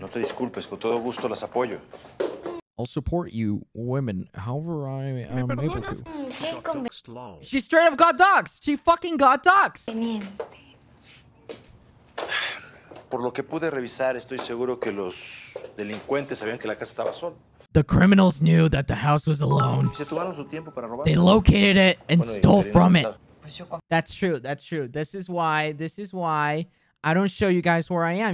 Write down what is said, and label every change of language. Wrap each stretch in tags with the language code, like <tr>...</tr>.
<es>No te disculpes, con todo gusto las apoyo.</es> <en>I'll support you, women, however I am able to. She straight up got doxxed. She fucking got doxxed.</en> <es>Por lo que pude revisar, estoy seguro que los delincuentes sabían que la casa estaba sola.</es> <en>The criminals knew that the house was alone.</en> <es>Se tomaron su tiempo para robar.</es> <en>They located it and stole from it. That's true. That's true. This is why I don't show you guys where I am.</en>